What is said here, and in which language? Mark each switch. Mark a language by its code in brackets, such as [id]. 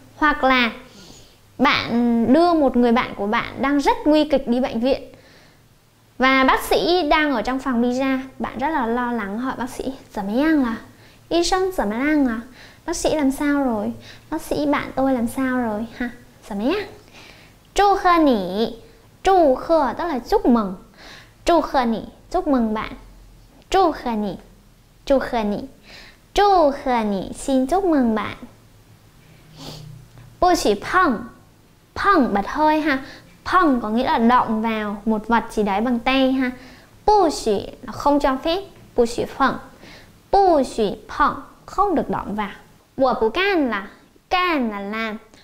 [vi] Hoặc là bạn đưa một người bạn của bạn đang rất nguy kịch đi bệnh viện và bác sĩ đang ở trong phòng đi ra, bạn rất là lo lắng hỏi bác sĩ [zh] 怎么样, [vi] là y sinh 怎么样, là bác sĩ làm sao rồi, bác sĩ bạn tôi làm sao rồi ha. [zh] 怎么样. 祝贺你, 祝贺 [vi] tức là chúc mừng. [zh] 祝贺你, [vi] chúc mừng bạn. [zh] 祝贺你, 祝贺你, 祝贺你, [vi] xin chúc mừng bạn. [zh] 不许碰, 碰 [vi] bật hơi ha. 碰 có nghĩa là động vào một vật gì đấy bằng tay ha. 不许 là không cho phép. [zh] 不许碰, 不许碰, [vi] không được động vào. [zh] 我不干, [vi] là can là làm.